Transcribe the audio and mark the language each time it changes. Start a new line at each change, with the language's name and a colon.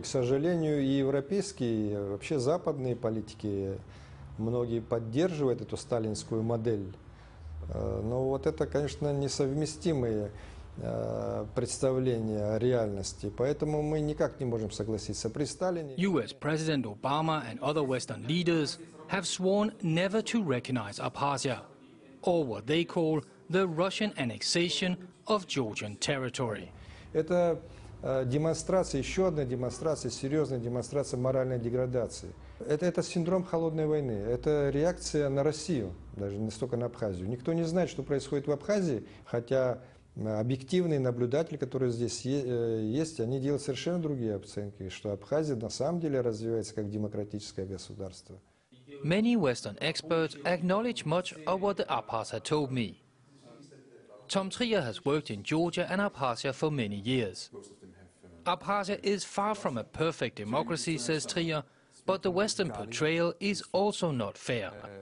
Russian: К сожалению, и европейские, и вообще западные политики, многие поддерживают эту сталинскую модель. Но вот это, конечно, несовместимые представления о реальности, поэтому мы никак не можем согласиться при Сталине.
English: US President Obama and other Western leaders have sworn never to recognize Abkhazia, or what they call the Russian annexation of Georgian territory.
Russian: Это демонстрация, еще одна демонстрация, серьезная демонстрация моральной деградации. Это синдром холодной войны, это реакция на Россию, даже не столько на Абхазию. Никто не знает, что происходит в Абхазии, хотя объективные наблюдатели, которые здесь есть, они делают совершенно другие оценки, что Абхазия на самом деле развивается как демократическое государство.
English: Many Western experts acknowledge much of what the Abkhaz have told me. Tom Trier has worked in Georgia and Abkhazia for many years. Abkhazia is far from a perfect democracy, says Trier, but the Western portrayal is also not fair.